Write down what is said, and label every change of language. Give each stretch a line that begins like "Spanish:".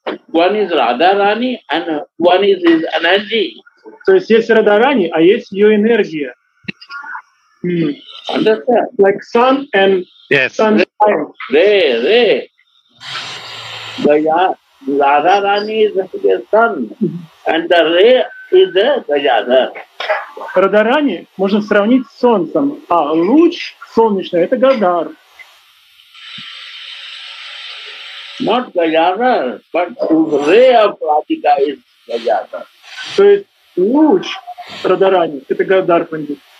English: One is Radharani and one is his energy.
Russian: То есть есть Радарани, а есть ее энергия.
English: Understand? Like sun and yes. Sunshine. Ray. Radharani is the sun and the ray is the Gajada.
Russian: Радарани можно сравнить с солнцем, а луч солнечный — это Гадар.
English: Not Gajadhar, but ray of Radhika is Gajadhar.
Russian: То есть луч Радарани — это Гадар, пандит.